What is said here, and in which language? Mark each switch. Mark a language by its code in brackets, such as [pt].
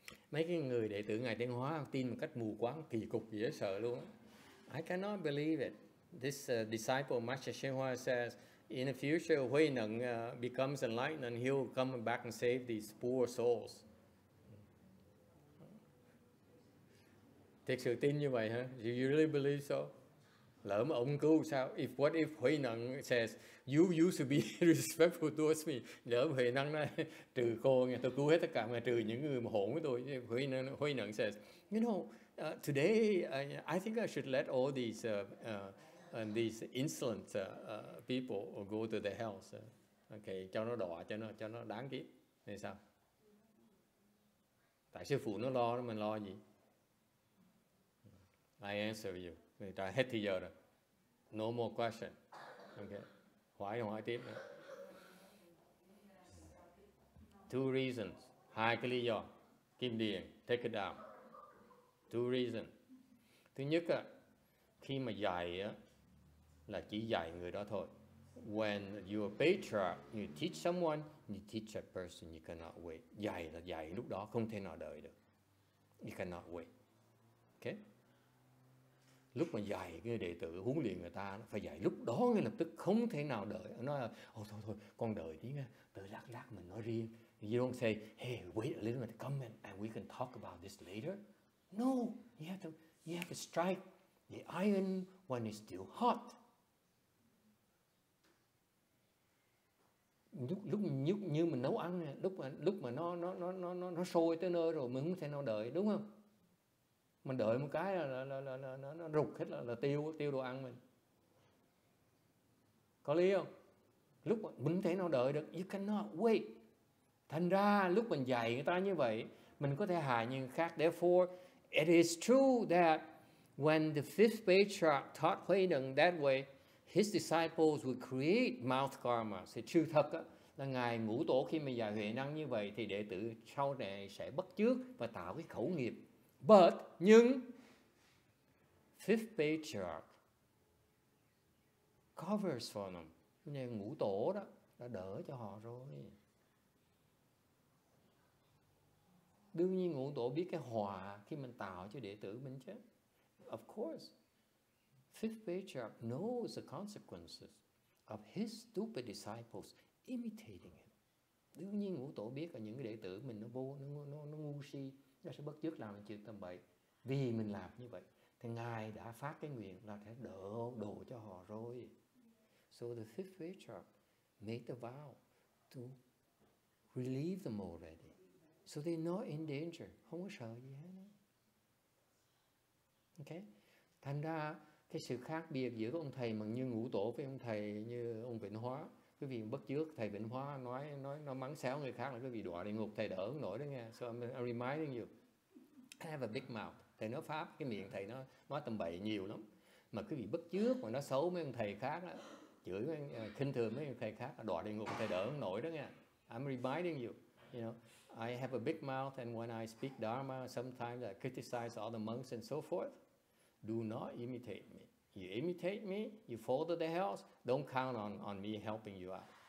[vi] Mấy cái người đệ tử ngài Tiên Hóa tin một cách mù quáng kỳ cục dễ sợ luôn. [en] I cannot believe it. This disciple Master Xianghua says, in the future HuiNeng becomes enlightened and he'll come back and save these poor souls. [vi] Thực sự tin như vậy hả? [en] Do you really believe so? [vi] Lỡ mà ông cứu sao? [en] If what if HuiNeng says, you used to be respectful towards me. [vi] Lỡ HuiNeng nói, trừ cô nghe, tôi cứu hết tất cả, trừ những người mà hỗn với tôi. [en] HuiNeng says, you know, today I think I should let all these insolent people go to the hell. [vi] So, okay, cho nó đọa, cho nó đáng kiếp. Thì sao? Tại sư phụ nó lo, mình lo gì? [en] I answer you. [vi] Đã hết thời giờ rồi. [en] No more question. [vi] Okay. Hỏi tiếp nữa. [en] Two reasons. [vi] Hai cái lý do. [en] Kim điền. Take it down. Two reasons. [vi] Thứ nhất á, khi mà dạy á, là chỉ dạy người đó thôi. [en] When you're a patriarch, you teach someone, you teach a person, you cannot wait. [vi] Dạy là dạy lúc đó, không thể nào đợi được. [en] You cannot wait. [vi] Okay? Lúc mà dạy cái đệ tử huấn luyện người ta phải dạy lúc đó ngay lập tức, không thể nào đợi. Nói là thôi con đợi tí nghe, tự lát mình nói riêng. [en] You don't say, hey, wait a little bit, come in and we can talk about this later. No, you have to strike the iron when it's still hot. [vi] Lúc như mình nấu ăn, lúc mà nó sôi tới nơi rồi mình không thể nào đợi, đúng không? Mình đợi một cái là nó rụt hết là tiêu đồ ăn mình. Có lý không? Lúc mình không thể nào đợi được. [en] You cannot wait. [vi] Thành ra lúc mình dạy người ta như vậy, mình có thể hại những người khác. [en] Therefore, it is true that when the fifth patriarch taught HuiNeng that way, his disciples would create mouth karma. [vi] Thì sự thật là ngài ngũ tổ khi mà dạy HuiNeng như vậy thì đệ tử sau này sẽ bất chước và tạo cái khẩu nghiệp. [en] But, nhưng, fifth patriarch covers for them. [vi] Nhà ngũ tổ đó, đã đỡ cho họ rồi. Đương nhiên ngũ tổ biết cái họa khi mình tạo cho đệ tử mình chứ. [en] Of course, fifth patriarch knows the consequences of his stupid disciples imitating him. [vi] Đương nhiên ngũ tổ biết là những cái đệ tử mình nó ngu si. Nó sẽ bất chước làm chuyện tầm bậy vì mình làm như vậy. thì Ngài đã phát cái nguyện là sẽ đổ đồ cho họ rồi. [en] So the fifth patriarch made the vow to relieve them already. So they're not in danger. [vi] Không có sợ gì hết. [en] Okay? [vi] Thành ra cái sự khác biệt giữa ông thầy mà như Ngũ Tổ với ông thầy như ông Vĩnh Hóa, cái vị bất chước thầy Vĩnh Hóa nói nó mắng xéo người khác là cái vị đọa địa ngục, thầy đỡ không nổi đó nghe. [en] So I'm reminding you, I have a big mouth. [vi] Thầy nói pháp, cái miệng thầy nó nói tầm bậy nhiều lắm. Mà cái vị bất chước mà nó xấu mấy ông thầy khác đó, chửi khinh thường mấy ông thầy khác là đọa địa ngục, thầy đỡ không nổi đó nghe. [en] I'm reminding you, you know, I have a big mouth and when I speak dharma sometimes I criticize all the monks and so forth. Do not imitate me. You imitate me, you fall to the hells, don't count on me helping you out.